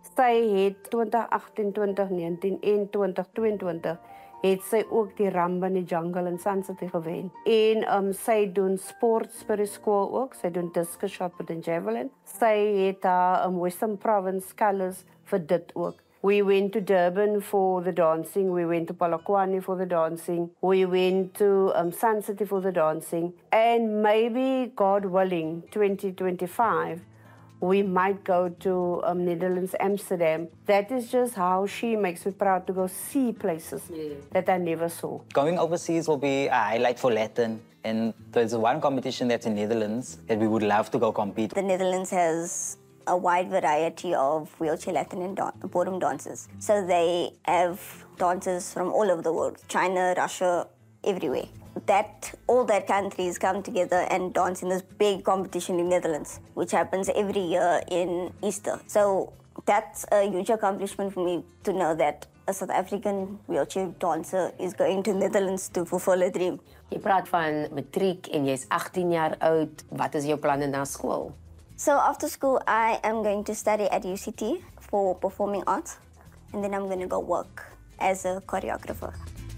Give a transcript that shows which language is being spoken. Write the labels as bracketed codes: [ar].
[af] Sy het 2018, 2019 en 2022 het sy ook die Ramba in die Jungle in Sun City gewen. En sy doen sports by die school ook. Sy doen discus shot met die javelin. Sy het Western Province Colors vir dit ook. [en] We went to Durban for the dancing. We went to Polokwane for the dancing. We went to Sun City for the dancing. And maybe, God willing, 2025, we might go to Netherlands, Amsterdam. That is just how she makes me proud to go see places that I never saw. Going overseas will be a highlight for Latin. And there's one competition that's in Netherlands that we would love to go compete. The Netherlands has a wide variety of wheelchair Latin and bodum dances. So they have dances from all over the world, China, Russia, everywhere. That all that countries come together and dance in this big competition in Netherlands, which happens every year in Easter. So that's a huge accomplishment for me to know that a South African wheelchair dancer is going to Netherlands to fulfill a dream. [af] Jy praat van matriek en jy is 18 jaar oud. Wat is jou planne na school? [en] So after school, I am going to study at UCT for performing arts, and then I'm going to go work as a choreographer.